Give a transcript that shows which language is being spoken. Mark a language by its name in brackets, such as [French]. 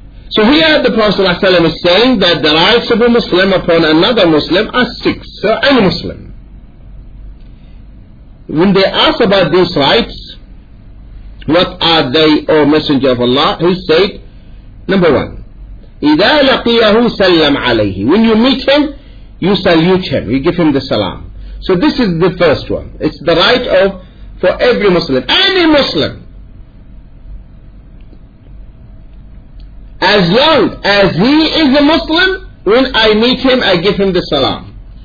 [English] So here the Prophet ﷺ is saying that the rights of a Muslim upon another Muslim are 6. So any Muslim, when they ask about these rights, what are they, O Messenger of Allah? He said, number 1, [Arabic] إذا لقيه سلم عليه. [English] When you meet him, you salute him, you give him the salam. So this is the first one. It's the right of for every Muslim, any Muslim, as long as he is a Muslim, when I meet him, I give him the salam.